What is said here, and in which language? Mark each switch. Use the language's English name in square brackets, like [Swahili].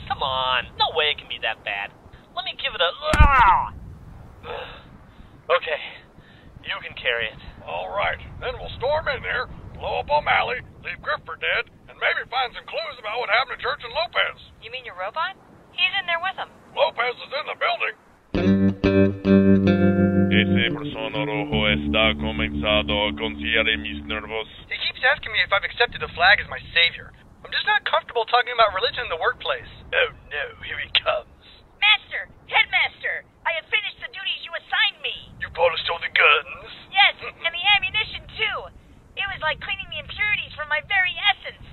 [English] Come on, no way it can be that bad. Let me give it a... Okay, you can carry it. All right, then we'll storm in there, blow up O'Malley, leave Griff for dead, and maybe find some clues about what happened to Church and Lopez. You mean your robot? He's in there with him. Lopez is in the building. [Spanish] Ese persona rojo está comenzado a confiar en mis nervios. [English] He keeps asking me if I've accepted the flag as my savior. I'm just not comfortable talking about religion in the workplace. Oh no, here he comes. Master! Headmaster! I have finished the duties you assigned me! You bought us all the guns? Yes, and the ammunition too! It was like cleaning the impurities from my very essence!